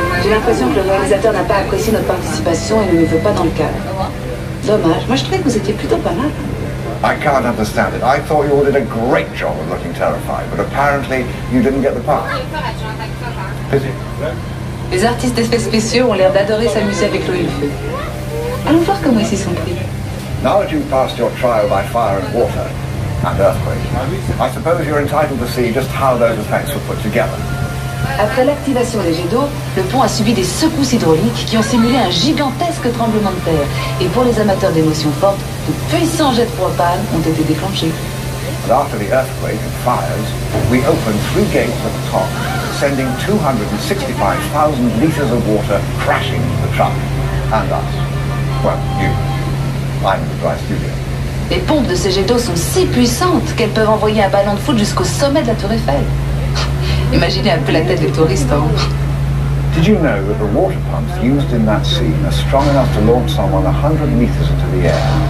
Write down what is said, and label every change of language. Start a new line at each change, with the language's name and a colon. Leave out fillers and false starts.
French: l'impression que le réalisateur n'a pas apprécié notre participation et ne nous veut pas dans le cadre. Dommage, moi je trouvais que vous étiez plutôt pas mal.
English: I can't understand it. I thought you all did a great job of looking terrified, but apparently you didn't get the part.
French: Les artistes d'effets spéciaux ont l'air d'adorer s'amuser avec l'eau et le feu. Allons voir comment ils s'y sont pris.
English: Now that you've passed your trial by fire and water and earthquake, I suppose you're entitled to see just how those effects were put together.
French: Après l'activation des jets d'eau, le pont a subi des secousses hydrauliques qui ont simulé un gigantesque tremblement de terre. Et pour les amateurs d'émotions fortes, de puissants jets de propane ont été déclenchés.
English: And after the earthquake and fires, we opened three gates at the top, sending 265,000 liters of water crashing into the truck and us. Well, you. I'm in the dry studio.
French: Les pompes de ces jets d'eau sont si puissantes qu'elles peuvent envoyer un ballon de foot jusqu'au sommet de la Tour Eiffel. Imaginez un peu la tête des touristes, hein.
English: Did you know that the water pumps used in that scene are strong enough to launch someone 100 meters into the air?